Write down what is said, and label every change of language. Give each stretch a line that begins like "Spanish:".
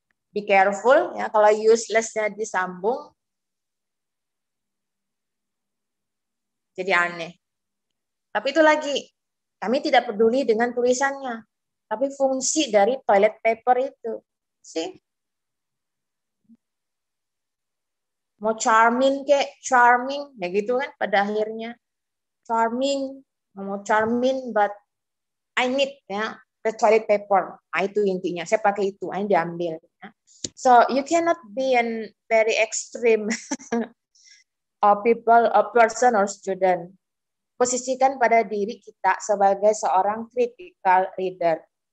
English: Be careful,
Indonesian: ya, kalau useless-nya disambung, jadi aneh. Tapi itu lagi, kami tidak peduli dengan tulisannya, tapi fungsi dari toilet paper itu. See? Mau charming kek, charming, ya gitu kan pada akhirnya.
English: Charming,
Indonesian: mau charming,
English: but I need ya, the toilet paper.
Indonesian: Nah, itu intinya, saya pakai itu, saya diambil. Ya.
English: So, you cannot be a very extreme people, a person or student.
Indonesian: Posisikan pada diri kita sebagai seorang critical reader.